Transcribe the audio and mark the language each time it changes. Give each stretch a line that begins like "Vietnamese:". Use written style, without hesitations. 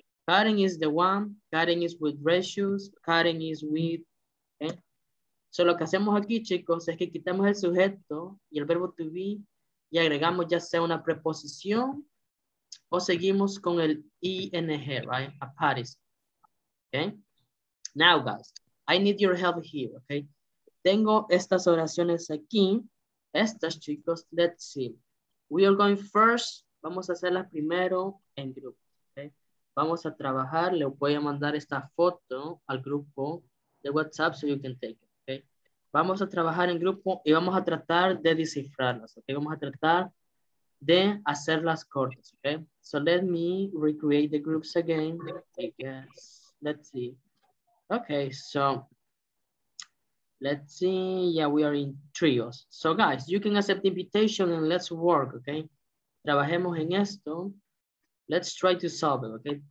English: Karen is the one. Karen is with red shoes. Karen is with... Okay?
Spanish: So, lo que hacemos aquí, chicos, es que quitamos el sujeto y el verbo to be y agregamos ya sea una preposición o seguimos con el ing, right?
English: A parties. Okay? Now, guys, I need your help here, okay?
Spanish: Tengo estas oraciones aquí. Estas, chicos,
English: let's see. We are going first.
Spanish: Vamos a hacerlas primero en grupo, okay? Vamos a trabajar. Le voy a mandar esta foto al grupo de WhatsApp
English: so you can take it.
Spanish: Vamos a trabajar en grupo y vamos a tratar de descifrarlas, ¿ok? Vamos a tratar de hacerlas cortas, ¿ok?
English: So let me recreate the groups again, I guess. Let's see. Okay, so let's see. Yeah, we are in trios. So guys, you can accept the invitation and let's work, ¿ok?
Spanish: Trabajemos en esto.
English: Let's try to solve it, ¿ok?